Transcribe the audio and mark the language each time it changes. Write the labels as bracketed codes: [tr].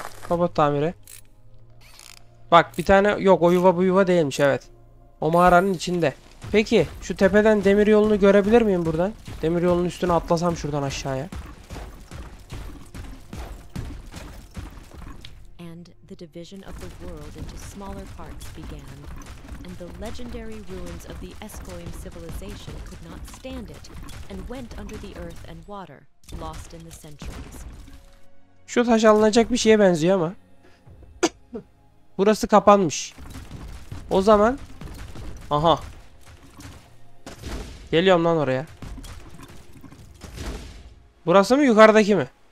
[tr] Robot tamiri. Bak bir tane yok, o yuva bu yuva değilmiş, evet. O mağaranın içinde. Peki şu tepeden demir yolunu görebilir miyim buradan? Demir yolunun üstüne atlasam şuradan aşağıya. [en] And the division of the world into smaller parts began, and the legendary ruins of the Eskoim civilization could not stand it and went under the earth and water, lost in the centuries. [tr] Şu taş alınacak bir şeye benziyor ama. Burası kapanmış. O zaman aha. Geliyorum lan oraya. Burası mı, yukarıdaki mi?